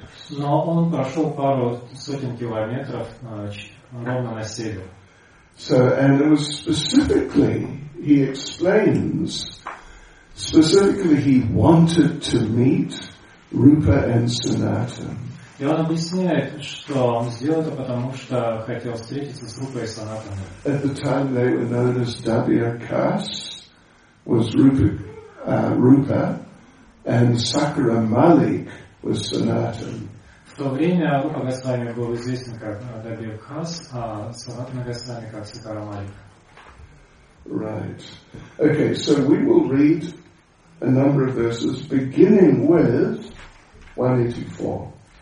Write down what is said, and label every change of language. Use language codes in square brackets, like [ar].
[ru] Но он прошел пару сотен километров ровно на север. [en] So, and it was specifically, he explains, specifically he wanted to meet Rupa and Sanatan. [ru] И он объясняет, что он сделал это, потому что хотел встретиться с Рупой и Санатаной. [en] At the time they were known as Dabhyakas, was Rupa, and Sakura Malik was Sanatan. [ru] В то время Рупа Госвами был известен как Dabhyakas, а Санатана Госвами как Сакара Малик. [en] Right. Okay, so we will read a number of verses, beginning with 184.